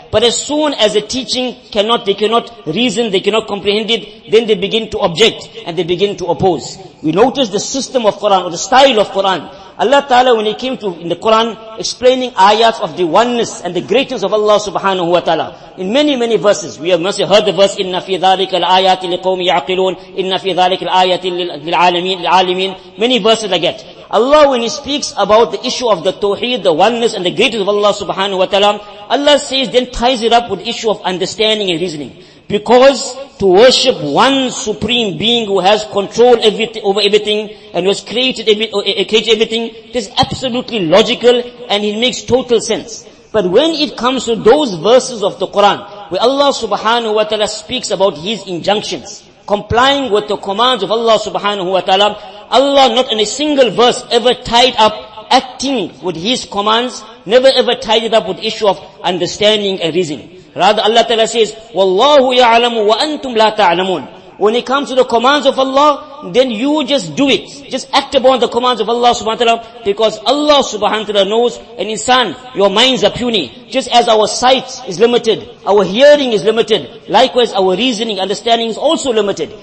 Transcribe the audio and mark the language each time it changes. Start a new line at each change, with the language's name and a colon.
English: But as soon as a teaching cannot, they cannot reason, they cannot comprehend it, then they begin to object and they begin to oppose. We notice the system of Quran or the style of Quran. Allah Ta'ala, when he came to, in the Quran, explaining ayats of the oneness and the greatness of Allah Subhanahu Wa Ta'ala. In many, many verses, we have mostly heard the verse,
Arabic: إِنَّ فِي ذَلِكَ الْآيَاتِ لِقَوْمِ يَعْقِلُونَ إِنَّ فِي ذَلِكَ الْآيَاتِ لِلْعَالِمِينَ.
English: Many verses I get. Allah, when he speaks about the issue of the tawheed, the oneness and the greatness of Allah Subhanahu Wa Ta'ala, Allah says, then ties it up with the issue of understanding and reasoning. Because to worship one supreme being who has control over everything and who has created everything, it is absolutely logical and it makes total sense. But when it comes to those verses of the Quran, where Allah subhanahu wa ta'ala speaks about his injunctions, complying with the commands of Allah subhanahu wa ta'ala, Allah not in a single verse ever tied up acting with his commands, never ever tied it up with the issue of understanding and reasoning. Rather, Allah Ta'ala says,
Arabic: وَاللَّهُ يَعْلَمُ وَأَنْتُمْ لَا تَعْلَمُونَ.
English: When it comes to the commands of Allah, then you just do it. Just act upon the commands of Allah subhanahu wa ta'ala, because Allah subhanahu wa ta'ala knows, an insan, your minds are puny. Just as our sight is limited, our hearing is limited, likewise our reasoning, understanding is also limited.